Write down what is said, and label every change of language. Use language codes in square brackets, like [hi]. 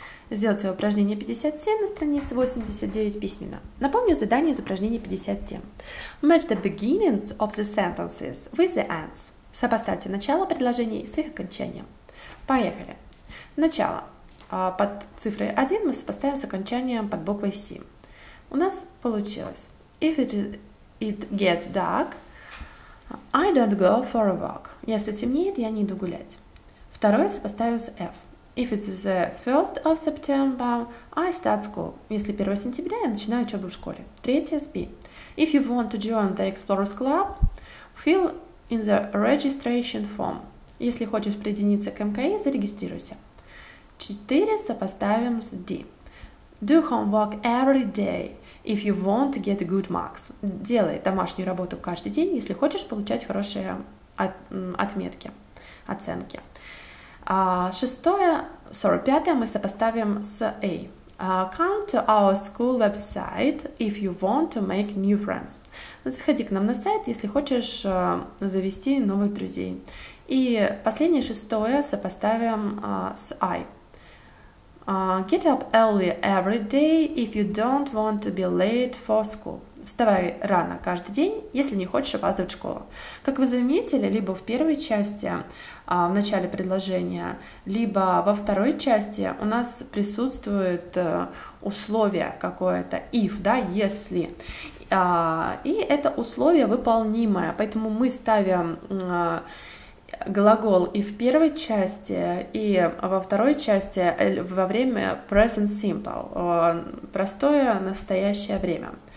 [ru] Сделайте упражнение 57 на странице 89 письменно. Напомню задание из упражнения 57. [en] Match the beginnings of the sentences with the ends. [ru] Сопоставьте начало предложений с их окончанием. Поехали. Начало. Под цифрой 1 мы сопоставим с окончанием под буквой C. У нас получилось. [en] If it gets dark, I don't go for a walk. [ru] Если темнеет, я не иду гулять. Второе сопоставим с F. [en] If it's the 1st of September, I start school. [ru] Если 1 сентября, я начинаю учебу в школе. Третье с B. [en] If you want to join the Explorers Club, fill in the registration form. [ru] Если хочешь присоединиться к МКИ, зарегистрируйся. Четыре сопоставим с D. [en] Do homework every day if you want to get good marks. [ru] Делай домашнюю работу каждый день, если хочешь получать хорошие отметки, оценки. Пятое мы сопоставим с A. [en] Come to our school website if you want to make new friends. [ru] Заходи к нам на сайт, если хочешь завести новых друзей. И последнее, шестое, сопоставим с I. [en] Get up early every day if you don't want to be late for school. [ru] Вставай рано каждый день, если не хочешь опаздывать в школу. Как вы заметили, либо в первой части, в начале предложения, либо во второй части у нас присутствует условие какое-то, if, да, если. И это условие выполнимое, поэтому мы ставим глагол и в первой части, и во второй части во время present simple, простое настоящее время.